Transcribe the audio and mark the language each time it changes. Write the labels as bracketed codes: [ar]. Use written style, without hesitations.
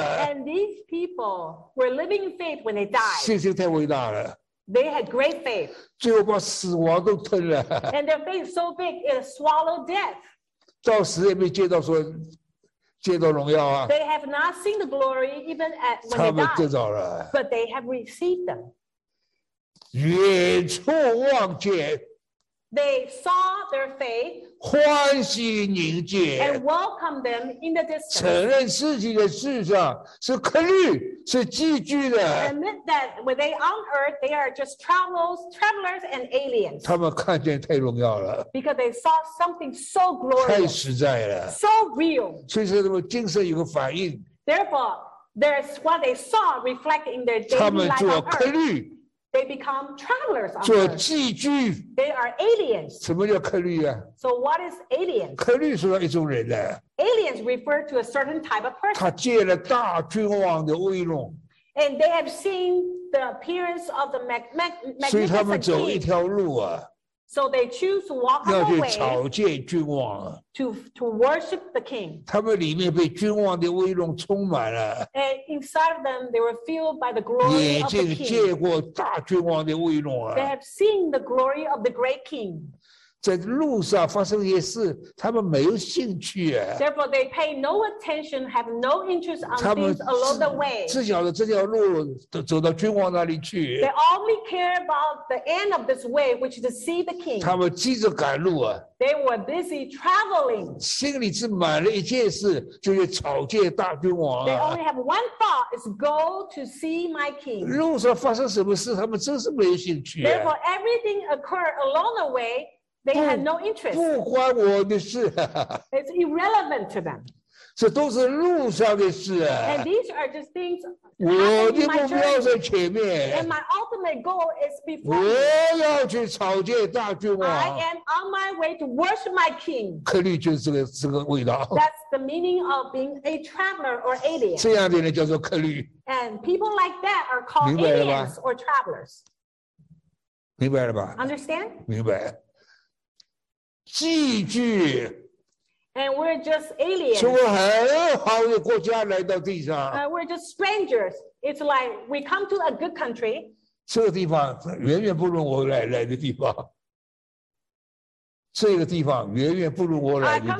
[en] And these people were living in faith when they died. [zh] 信心太伟大了。 [en] They had great faith. [zh] 最后把死亡都吞了。 [en] And their faith so big it swallowed death. [zh] 到死也没见到说见到荣耀啊。 [en] They have not seen the glory even at when they died. [zh] 他们得着了。 [en] But they have received them. [zh] 远处望见。 [en] They saw their faith [zh] 欢喜宁静 [en] and welcomed them in the distance. [zh] 承认自己的世上是客旅是寄居的 [en] admit that when they on earth, they are just travelers and aliens. [zh] 他们看见太荣耀了 [en] because they saw something so glorious. [zh] 太实在了 [en] so real. [zh] 所以说他们精神有个反应 [en] Therefore, there's what they saw reflected in their daily life. [zh] 他们做客旅 [en] They become travelers. [zh] 做寄居。 [en] They are aliens. [zh] 什么叫客旅啊 [en] ？So what is aliens? [zh] 客旅是一种人呢。 [en] Aliens refer to a certain type of person. [zh] 他见了大君王的威容。 [en] And they have seen the appearance of the magnificent king. [zh] 所以他们走一条路啊。 [en] So they choose to walk away. [zh] 要去朝见君王。 [en] To worship the king. [zh] 他们里面被君王的威容充满了。 [en] And inside of them, they were filled by the glory of the king. [zh] 眼睛见过大君王的威容啊。 [en] They have seen the glory of the great king. [zh] 在路上发生一些事，他们没有兴趣啊。 [en] Therefore, they pay no attention, have no interest on things along the way. [zh] 只晓得这条路走到君王那里去。 [en] They only care about the end of this way, which is to see the king. [zh] 他们急着赶路啊。 [en] They were busy traveling. [zh] 心里只满了一件事，就是朝见大君王啊。 [en] They only have one thought, is go to see my king. [zh] 路上发生什么事，他们真是没有兴趣啊。 [en] Therefore, everything occurred along the way. They had no interest. [zh] 不关我的事。 [en] It's irrelevant to them. [zh] 这都是路上的事。 [en] And these are just things. [zh] 我的目标在前面。 [en] And my ultimate goal is before. [zh] 我要去朝见大君王。 [en] I am on my way to worship my king. [zh] 客旅就是这个味道。 [en] That's the meaning of being a traveler or alien. [zh] 这样的人叫做客旅。 [en] And people like that are called aliens or travelers. [zh] 明白了吧 [en] ？Understand? [zh] 明白。寄居 [en] ，and we're just aliens. [zh] 从很好的国家来到地上。 [en] We're just strangers. It's like we come to a good country. [zh] 这个地方远远不如我来的地方。这个地方远远不如我来的地方。